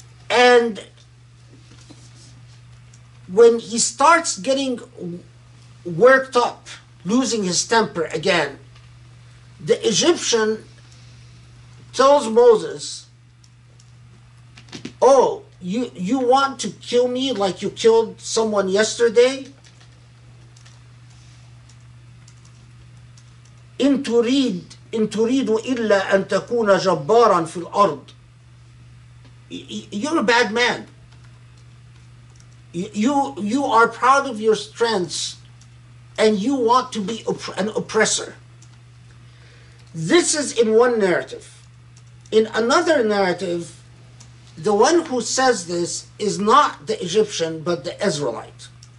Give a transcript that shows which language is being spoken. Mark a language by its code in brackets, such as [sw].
[en] And when he starts getting worked up, losing his temper again, the Egyptian tells Moses, "Oh, you want to kill me like you killed someone yesterday? [ar] إن تريد إلا أن تكون جبارا في الأرض. [en] You're a bad man. You are proud of your strengths and you want to be an oppressor." This is in one narrative. In another narrative, the one who says this is not the Egyptian, but the Israelite.